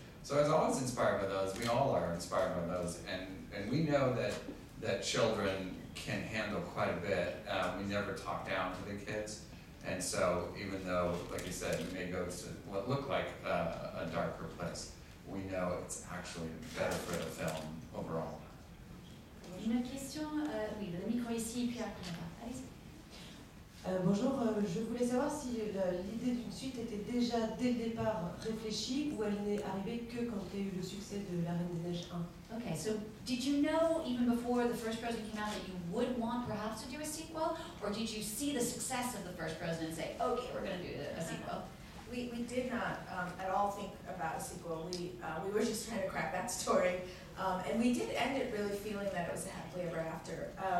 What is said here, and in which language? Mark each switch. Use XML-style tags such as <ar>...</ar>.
<en>So I was always inspired by those. We all are inspired by those. And we know that children can handle quite a bit. We never talk down to the kids. And so even though, like you said, it may go to what looked like a darker place, we know it's actually better for the film overall.</en> <fr>Une question, oui, le micro ici, puis après. Bonjour, je voulais savoir si l'idée d'une suite était déjà dès le départ réfléchie ou elle n'est arrivée que quand il y a eu le succès de La Reine des Neiges 1.</fr> <en>Okay, so did you know even before the first Frozen came out that you would want perhaps to do a sequel, or did you see the success of the first Frozen and say, okay, we're going to do a sequel? We did not at all think about a sequel. We were just trying to crack that story. And we did end it really feeling that it was a happily ever after.</en>